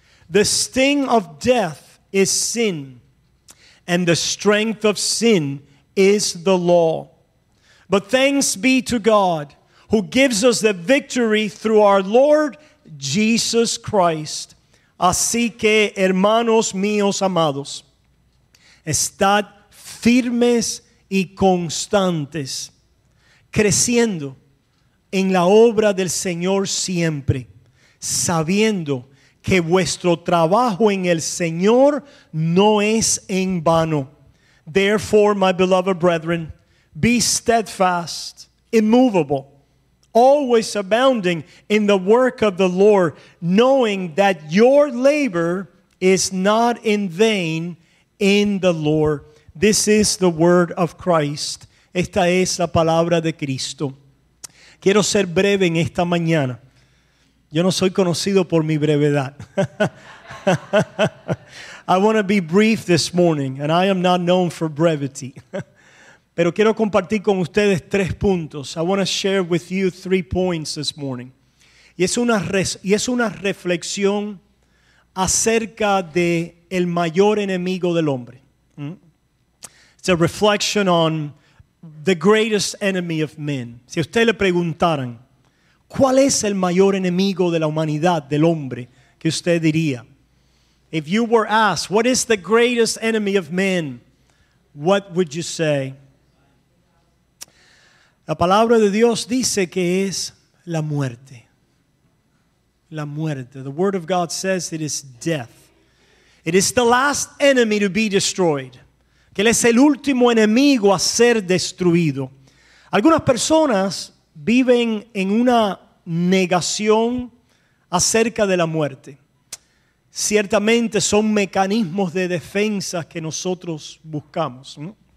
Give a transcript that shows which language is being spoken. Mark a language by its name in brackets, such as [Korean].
[English] The sting of death is sin, and the strength of sin is the law. But thanks be to God, who gives us the victory through our Lord Jesus Christ. [Spanish] Así que, hermanos míos amados, estad firmes y constantes, creciendo en la obra del Señor siempre, sabiendo que vuestro trabajo en el Señor no es en vano. [English] Therefore, my beloved brethren, be steadfast, immovable, always abounding in the work of the Lord, knowing that your labor is not in vain in the Lord. This is the word of Christ. [Spanish] Esta es la palabra de Cristo. Quiero ser breve en esta mañana. Yo no soy conocido por mi brevedad. [English] I want to be brief this morning, and I am not known for brevity. [Spanish] Pero quiero compartir con ustedes tres puntos. [English] I want to share with you three points this morning. [Spanish] Y es una reflexión acerca de el mayor enemigo del hombre. [English] It's a reflection on the greatest enemy of men. [Spanish] Si usted le preguntaran, ¿cuál es el mayor enemigo de la humanidad, del hombre, que usted diría? [English] If you were asked, what is the greatest enemy of men? What would you say? [Spanish] La palabra de Dios dice que es la muerte. La muerte. [English] The word of God says it is death. It is the last enemy to be destroyed. [Spanish] que Él es el último enemigo a ser destruido. Algunas personas viven en una negación acerca de la muerte. Ciertamente son mecanismos de defensa que nosotros buscamos, ¿no?